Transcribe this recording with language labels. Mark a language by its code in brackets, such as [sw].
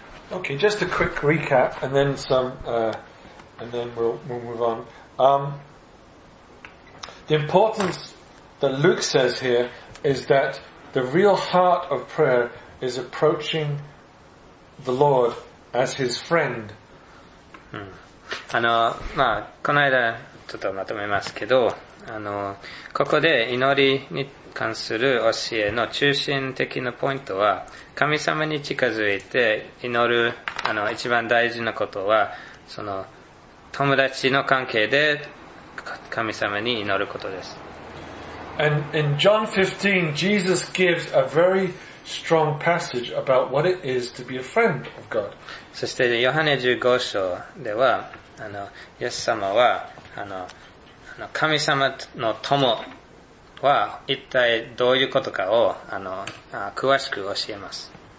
[en] Okay, just a quick recap, and then we'll move on. The importance that Luke says here is that the real heart of prayer is approaching the Lord as his friend. [ja] この間、ちょっとまとめますけど、ここで祈りに関する教えの中心的なポイントは、神様に近づいて祈る、一番大事なことは、その、友達の関係で神様に祈ることです。 [en] And in John 15, Jesus gives a very strong passage about what it is to be a friend of God. [ja] そして、ヨハネ15章では、イエス様は、神様の友は一体どういうことかを詳しく教えます。